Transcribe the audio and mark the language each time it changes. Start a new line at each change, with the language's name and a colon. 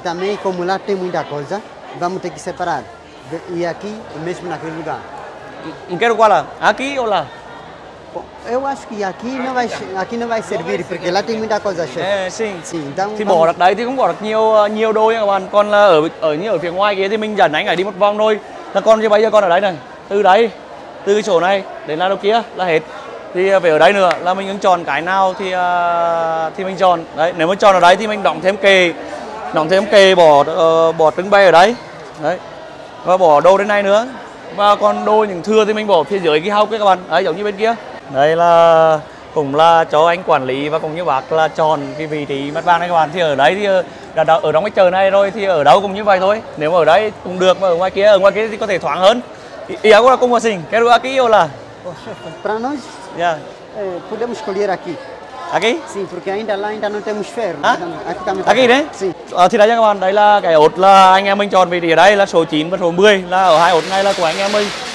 Portuguese: também como lá tem muita coisa, vamos ter que separar. E aqui mesmo naquele lugar. Quero qual lá? Aqui ou lá? Eu acho que aqui não vai servir, porque lá tem muita coisa, chefe. É, sim. Sim, então...
Vietnamese: Thì bỏ được đấy thì cũng bỏ được nhiều đôi các bạn. Còn là ở như ở phía ngoài kia thì mình dẫn anh ấy đi một vòng thôi. Thằng con như bây giờ con ở đấy này. Từ đấy, từ chỗ này đến là đâu kia là hết. Thì phải ở đấy nữa, là mình ứng chọn cái nào thì mình chọn. Đấy, nếu mà chọn ở đấy thì mình đóng thêm kề bỏ trứng bay ở đấy. Đấy. Và bỏ đồ đến này nữa. Và còn đồ những thừa thì mình bỏ phía dưới cái hau kia các bạn. Đấy, giống như bên kia. Đây là cũng là cho anh quản lý và cũng như bác là chọn cái vị trí mặt bằng này các bạn. Thì ở đấy thì ở trong cái chợ này rồi thì ở đâu cũng như vậy thôi. Nếu mà ở đấy cũng được, mà ở ngoài kia thì có thể thoáng hơn. Ý của cũng là xinh, cái đồ aqui ô là?
Portuguese: Para nós, podemos escolher aqui. Aqui? Sim, porque ainda lá ainda não temos ferro. Aqui também. Aqui, né? Sim.
Vietnamese: Thì đấy các bạn, đây là cái ốt là anh em mình chọn vị trí ở đây là số 9 và số 10. Là ở hai ốt này là của anh em mình.